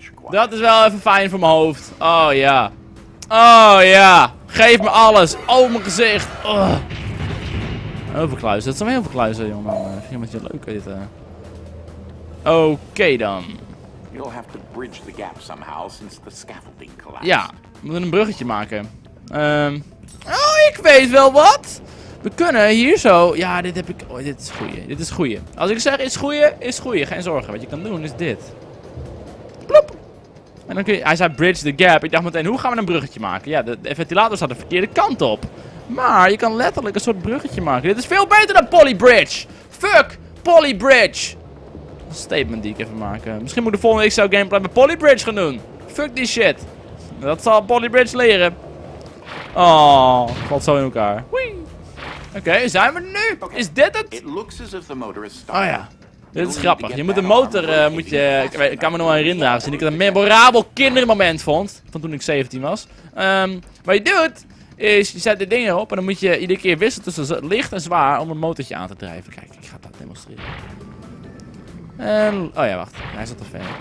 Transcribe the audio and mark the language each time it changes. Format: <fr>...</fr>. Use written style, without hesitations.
<nl>Dat is wel even fijn voor mijn hoofd. Oh ja. Oh ja. Geef me alles. Oh, mijn gezicht. Oh. Heel veel kluizen. Dat zijn heel veel kluizen, jongen. Ik vind het wel leuk dit. Oké, dan.</nl> <en>You'll have to bridge the gap somehow since the scaffolding collapsed.</en> <nl>Ja. We moeten een bruggetje maken. Oh, ik weet wel wat. We kunnen hier zo. Ja, dit heb ik. Oh, dit is goeie. Dit is goeie. Als ik zeg is goeie. Geen zorgen. Wat je kan doen is dit. En dan kun je, hij zei</nl> <en>bridge the gap.</en> <nl>Ik dacht meteen, hoe gaan we een bruggetje maken? Ja, de ventilator staat de verkeerde kant op. Maar je kan letterlijk een soort bruggetje maken. Dit is veel beter dan Poly Bridge.</nl> <en>Fuck Poly Bridge.</en> <nl>Een statement die ik even maken. Misschien moet ik de volgende week zo gameplay met Poly Bridge gaan doen. Fuck die shit. Dat zal Poly Bridge leren. Oh, valt zo in elkaar. Oké, zijn we er nu? Okay. Is dit het?</nl> <en>It looks as if the motor is stopped.</en> <nl>Oh ja. Dit is grappig. Je moet de motor, ik kan me nog wel herinneren, zien. Ik een memorabel kindermoment vond, van toen ik 17 was. Wat je doet, is je zet de dingen op en dan moet je iedere keer wisselen tussen licht en zwaar om een motortje aan te drijven. Kijk, ik ga dat demonstreren. En, oh ja, wacht. Hij zat te ver.</nl>